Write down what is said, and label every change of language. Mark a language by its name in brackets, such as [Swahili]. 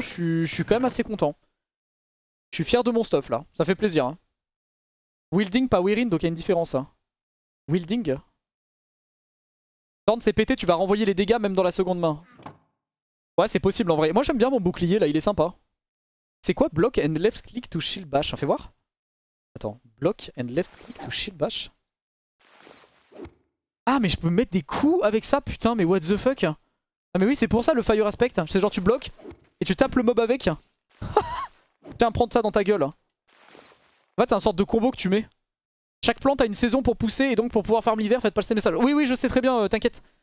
[French] Je suis quand même assez content. Je suis fier de mon stuff là. Ça fait plaisir. Hein. Wielding, pas Wearing. Donc il y a une différence. Hein. Wielding. Torn, c'est pété, tu vas renvoyer les dégâts même dans la seconde main. Ouais, c'est possible en vrai. Moi, j'aime bien mon bouclier, là, il est sympa. C'est quoi, [English] block and left click to shield bash? [French] Fais voir. Attends, [English] block and left click to shield bash. [French] Ah, mais je peux mettre des coups avec ça, putain, mais [English] what the fuck. [French] Ah, mais oui, c'est pour ça, le fire aspect. C'est genre, tu bloques et tu tapes le mob avec. Tiens, prends ça dans ta gueule. En fait, c'est un sorte de combo que tu mets. Chaque plante a une saison pour pousser et donc pour pouvoir farm l'hiver, faites passer le message. Oui, oui, je sais très bien, t'inquiète.